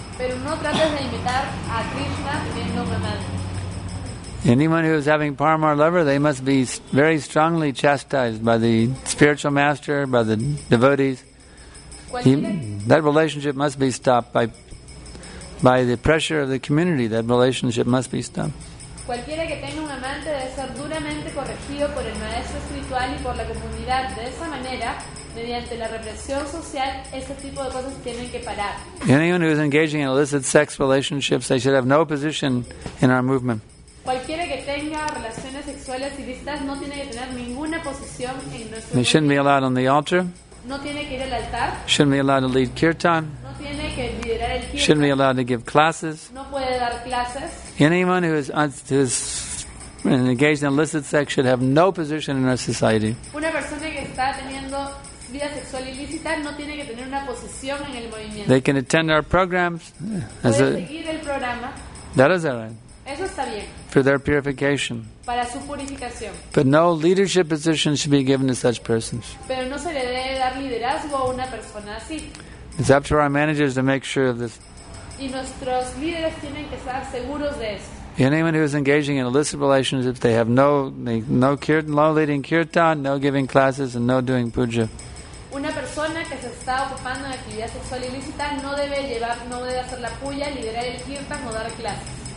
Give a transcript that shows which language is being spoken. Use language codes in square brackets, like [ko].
[es] Pero no trates de imitar a Krishna teniendo un amante. [en] Anyone who is having paramour lover, they must be very strongly chastised by the spiritual master, by the devotees. That relationship must be stopped by the pressure of the community. That relationship must be stopped. [es] Cualquiera que tenga un amante debe ser duramente corregido por el maestro espiritual y por la comunidad. De esa manera, mediante la represión social, ese tipo de cosas tienen que parar. [en] Anyone who is engaging in illicit sex relationships, they should have no position in our movement. [es] Cualquiera que tenga relaciones sexuales ilícitas no tiene que tener ninguna posición en nuestro movimiento. [en] They shouldn't be allowed on the altar. [es] No tiene que ir al altar. [en] Shouldn't be allowed to lead kirtan. [es] No tiene que liderar el kirtan. [en] Shouldn't be allowed to give classes. [es] No puede dar clases. [en] Anyone who is engaged in illicit sex should have no position in our society. [es] Una persona que está teniendo vida sexual ilícita no tiene que tener una posición en el movimiento. [en] They can attend our programs. [es] Puede seguir el programa. [en] That is all right. [es] Eso está bien. [en] For their purification. [es] Para su purificación. [en] But no leadership position should be given to such persons. [es] Pero no se le debe dar liderazgo a una persona así. [en] It's up to our managers to make sure of this. [es] Y nuestros líderes tienen que estar seguros de eso. [en] Anyone who is engaging in illicit relationships, they have no leading kirtan, no giving classes, and no doing puja. [es] Una persona que se está ocupando de actividad sexual ilícita no debe hacer la puya, liderar el kirtan o dar clases.